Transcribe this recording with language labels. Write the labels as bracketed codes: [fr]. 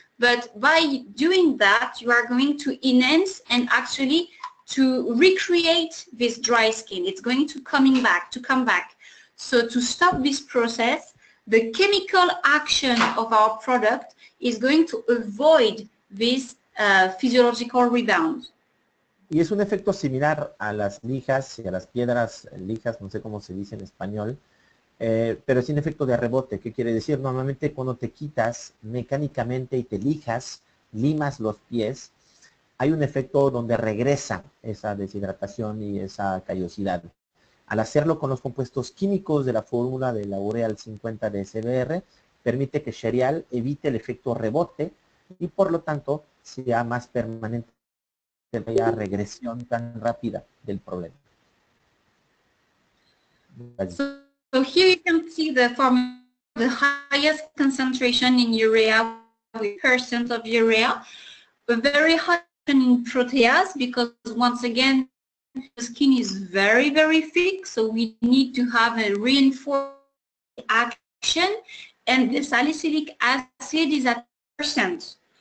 [en] But by doing that, you are going to enhance and actually to recreate this dry skin. It's going to come back. So to stop this process, the chemical action of our product is going to avoid this physiological rebound. [es] Y es un efecto similar a las lijas y a las piedras lijas, no sé cómo se dice en español. Pero sin efecto de rebote, ¿qué quiere decir? Normalmente cuando te quitas mecánicamente y te lijas, limas los pies, hay un efecto donde regresa esa deshidratación y esa callosidad. Al hacerlo con los compuestos químicos de la fórmula de la urea al 50 de SBR, permite que Xerial evite el efecto rebote y por lo tanto sea más permanente la regresión tan rápida del problema. Vale. [en] So here you can see the formula, the highest concentration in urea, with percent of urea, a very high in protease because once again the skin is very very thick, so we need to have a reinforced action, and the salicylic acid is at percent.